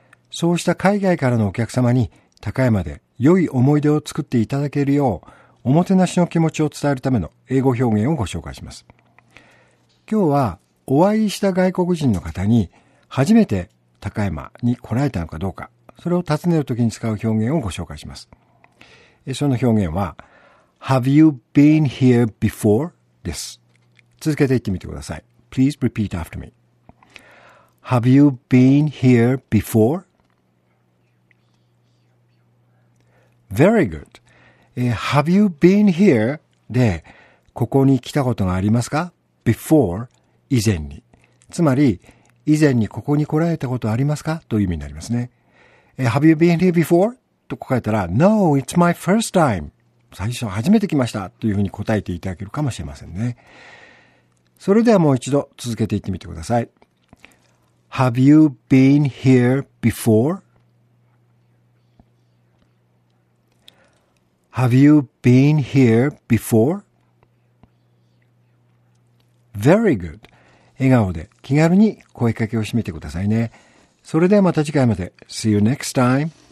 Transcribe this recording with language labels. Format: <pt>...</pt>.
<ja>そうした海外からのお客様に高山で良い思い出を作っていただけるよう、おもてなしの気持ちを伝えるための英語表現をご紹介します。今日はお会いした外国人の方に初めて高山に来られたのかどうか、それを尋ねるときに使う表現をご紹介します。その表現は</ja> <en>Have you been here before?</en> <ja>です。続けて言ってみてください。</ja> <en>Please repeat after me. Have you been here before? Very good. Have you been here?</en> <ja>で、ここに来たことがありますか? Before 以前に。つまり、以前にここに来られたことありますか?という意味になりますね。</ja> <en>Have you been here before?</en> <ja>と答えたら、</ja> <en>No, it's my first time.</en> <ja>最初初めて来ましたというふうに答えていただけるかもしれませんね。それではもう一度続けていってみてください。</ja> <en>Have you been here before? Have you been here before? Very good.</en> <ja>笑顔で気軽に声かけをしてみてくださいね。それではまた次回まで。</ja> <en>See you next time.</en>